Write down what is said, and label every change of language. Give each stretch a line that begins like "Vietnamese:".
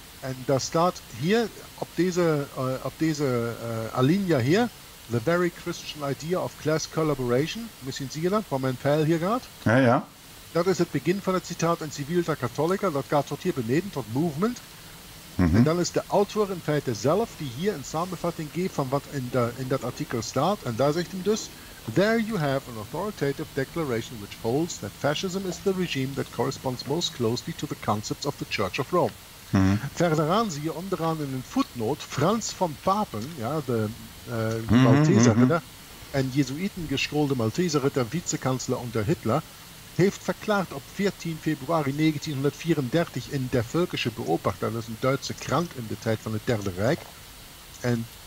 Dutch: En daar staat hier, op deze Alinea hier,
English: The Very Christian Idea of Class Collaboration.
Dutch: Misschien zie je dat, waar mijn pijl hier gaat. Ja, ja. Dat is het begin van het citaat in Civilta Catholica. Dat gaat tot hier beneden, tot Movement. Mhm. En dan is de auteur in feite zelf, die hier een samenvatting geeft van wat in dat artikel staat. En daar zegt hij dus...
English: There you have an authoritative declaration which holds that fascism is the regime that corresponds most closely to the concepts of the Church of Rome. Mm-hmm.
Dutch: Verderaan zie je onderaan in een footnote Franz von Papen, ja, de Malteser Ritter, een Jesuiten geschoolde Malteser Ritter,
German: Vizekanzler unter Hitler,
Dutch: heeft verklaard op 14 februari 1934 in der Völkische Beobachter, dat is een Duitse krant in de tijd van het Derde Rijk, en